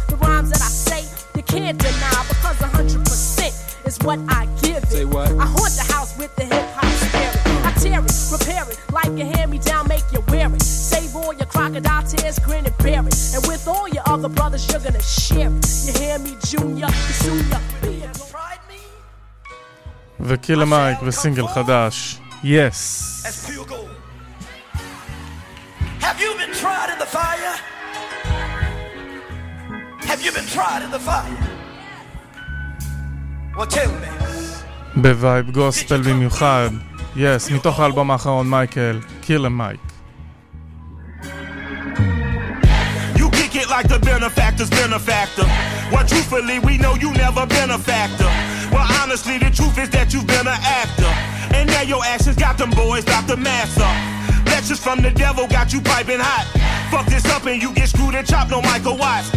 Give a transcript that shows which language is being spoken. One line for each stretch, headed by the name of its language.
English: The rhymes that I say, you can't deny, because 100% is what I give it. Say what? I haunt the house with the hip-hop spirit. I tear it, repair it, like a hand-me-down, make you wear it. Save all your crocodile tears, grin and bear it. And with all your other brothers, you're gonna share it. You hear me, Junior? Junior, be it.
Hebrew: וקיל המייק וסינגל חדש, yes.
English: Have you been tried in the fire? Have you been tried in the fire? Well, tell me.
Hebrew: בווייב גוספל במיוחד, yes, מתוך האלבום האחרון, מייקל, קיל המייק.
English: You kick it like the benefactor's benefactor. Well, truthfully, we know you never been a factor. Well, honestly, the truth is that you've been an actor. And now your actions got them boys, Dr. Massa. Lectures from the devil got you piping hot. Fuck this up and you get screwed and chopped, no Michael Watts.